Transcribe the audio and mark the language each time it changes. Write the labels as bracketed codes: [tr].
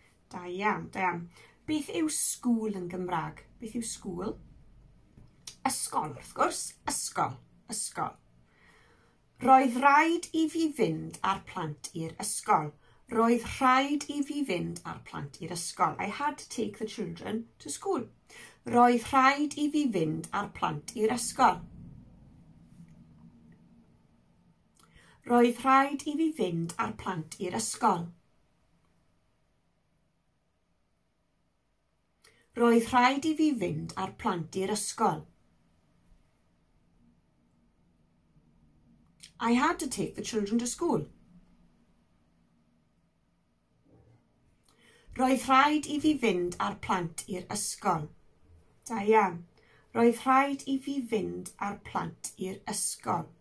[cy] Da iawn, da iawn. Beth yw sgŵl yn Gymraeg? Beth yw sgŵl? Ysgol, wrth gwrs. Ysgol, ysgol. Roedd rhaid I fi fynd ar plant i'r ysgol. Roedd rhaid I fi fynd ar plant i'r ysgol. [en] I had to take the children to school. [cy] Roedd rhaid I fi fynd ar plant i'r ysgol. Roedd rhaid I fi fynd ar plant i'r ysgol. Roedd rhaid I fi fynd ar plant i'r ysgol. [en] I had to take the children to school. [cy] Roedd rhaid I fi fynd ar plant i'r ysgol. Da iawn. Roedd rhaid I fi fynd ar plant i'r ysgol.